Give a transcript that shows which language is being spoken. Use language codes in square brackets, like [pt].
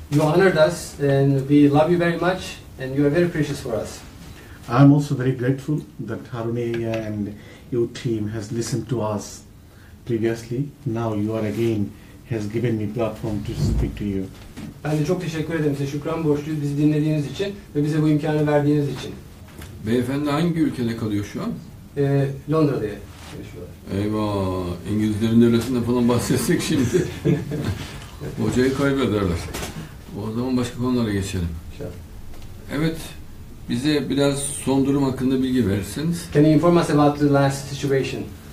[en] You honored us and we love you very much and you are very precious for us. I'm also very grateful that Haruni and your team has listened to us previously. Now you are again has given me platform to speak to you. [tr] Ben de çok teşekkür ederim size. Şükran borçluyuz bizi dinlediğiniz için ve bize bu imkanı verdiğiniz için. Beyefendi hangi ülkede kalıyor şu an? Londra'da. Eyvah, İngilizlerin öresinde falan bahsetsek şimdi hocayı kaybederler. O zaman başka konulara geçelim. İnşallah. Evet, bize biraz son durum hakkında bilgi verirseniz. [en] Can you inform us about the last situation?